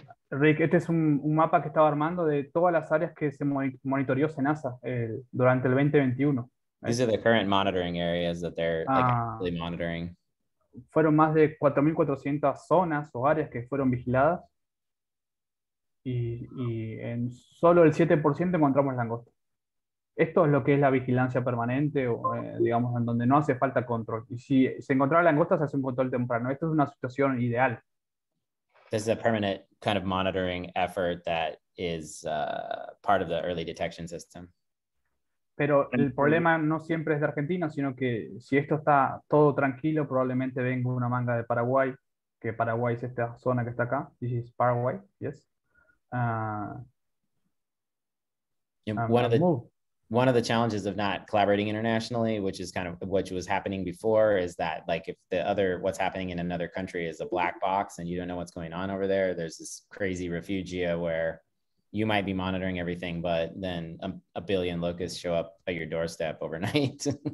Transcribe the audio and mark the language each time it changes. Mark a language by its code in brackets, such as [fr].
[en] Rick, este es un mapa que estaba armando de todas las áreas que se monitoreó SENASA durante el 2021. These are the current monitoring areas that they're actually monitoring. [es] Fueron más de 4,400 zonas o áreas que fueron vigiladas. Y en solo el 7% encontramos langosta. Esto es lo que es la vigilancia permanente, digamos, en donde no hace falta control. Y si se encontraba langosta, se hace un control temprano. Esto es una situación ideal. [en] This is a permanent kind of monitoring effort that is part of the early detection system. [es] Pero el problema no siempre es de Argentina, sino que si esto está todo tranquilo, probablemente venga una manga de Paraguay, que Paraguay es esta zona que está acá. [en] This is Paraguay, yes. One of the challenges of not collaborating internationally, which is kind of what was happening before, is that like if what's happening in another country is a black box and you don't know what's going on over there, there's this crazy refugia where you might be monitoring everything, but then a billion locusts show up at your doorstep overnight.